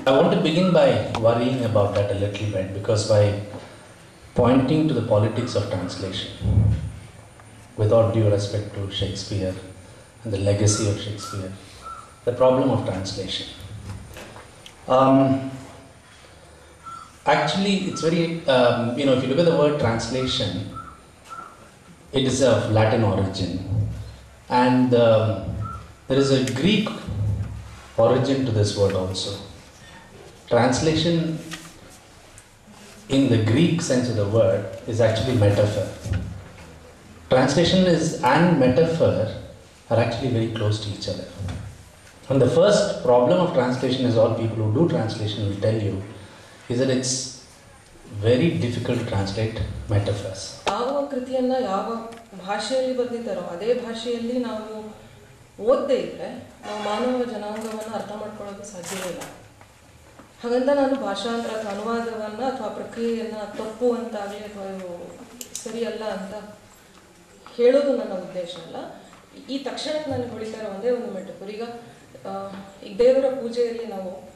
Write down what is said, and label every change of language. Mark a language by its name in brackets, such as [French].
[English] I want to begin by worrying about that a little bit because by pointing to the politics of translation without due respect to Shakespeare and the legacy of Shakespeare, the problem of translation. Actually, it's very, you know, if you look at the word translation, it is of Latin origin. And there is a Greek origin to this word also. Translation in the Greek sense of the word is actually metaphor. Translation is and metaphor are actually very close to each other. And the first problem of translation is all people who do translation will tell you is that it's very difficult to translate metaphors. [Kannada] ಯಾವ ಕೃತಿಯನ್ನ ಯಾವ ಭಾಷೆಯಲ್ಲಿ ಬರೆದಿದ್ದಾರೋ ಅದೇ ಭಾಷೆಯಲ್ಲಿ ನಾವು ಓದದೇ ಇದ್ರೆ ನಾವು ಮಾನವ ಜನಾಂಗವನ್ನು ಅರ್ಥ ಮಾಡ್ಕೊಳ್ಳೋದು ಸಾಧ್ಯವಿಲ್ಲ ಹಾಗಂತ ನಾನು ಭಾಷಾಂತರ ಅನುವಾದವನ್ನು ಅಥವಾ ಪ್ರಕ್ರಿಯೆಯನ್ನು ತಪ್ಪು ಅಂತಾಗಿ ಅಥವಾ ಸರಿಯಲ್ಲ ಅಂತ ಹೇಳೋದು ನನ್ನ ಉದ್ದೇಶ ಅಲ್ಲ ಈ ತಕ್ಷಣಕ್ಕೆ ನಾನು ಹೊಳಿತಾರ ಒಂದೇ ಒಂದು ಮೆಟಫರ್ ಈಗ ಈಗ ದೇವರ ಪೂಜೆಯಲ್ಲಿ ನಾವು